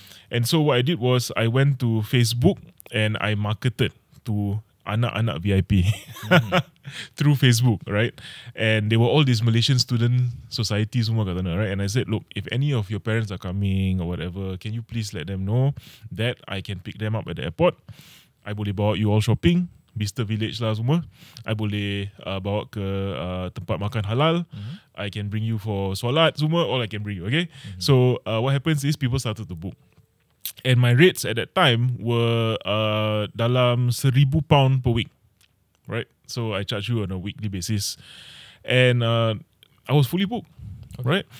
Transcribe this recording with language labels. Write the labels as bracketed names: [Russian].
[English] And so what I did was, I went to Facebook and I marketed to [Malay] anak-anak [English] VIP through Facebook, right? And they were all these Malaysian student societies [Malay] semua kat sana, [English] right? And I said, look, if any of your parents are coming or whatever, can you please let them know that I can pick them up at the airport? [Malay] I boleh bawa [English] you all shopping, [Malay] Mr. Village lah semua. I boleh bawa ke tempat makan halal. Mm-hmm. [English] I can bring you for [Malay] solat semua, [English] all I can bring you, okay? Mm-hmm. So what happens is people started to book. And my rates at that time were [Malay] dalam [English] £1,000 per week, right? So I charge you on a weekly basis. And I was fully booked, okay, right?